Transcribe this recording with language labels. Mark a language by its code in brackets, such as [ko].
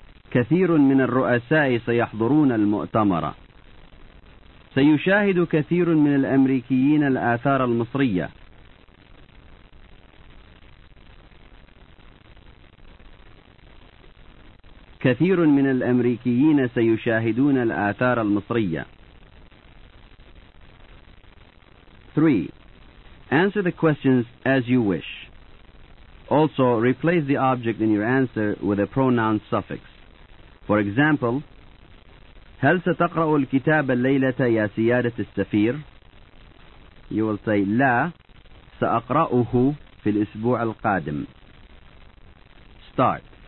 [ar] كثير من الرؤساء سيحضرون المؤتمر، سيشاهد كثير من الأمريكيين الآثار المصرية، كثير من الأمريكيين سيشاهدون الآثار المصرية. [en] 3. Answer the questions as you wish. Also, replace the object in your answer with a pronoun suffix. For example, [ar] هل ستقرأ الكتاب الليلة يا سيادة السفير؟ [en] You will say, [ar] لا، سأقرأه في الأسبوع القادم. [en] Start.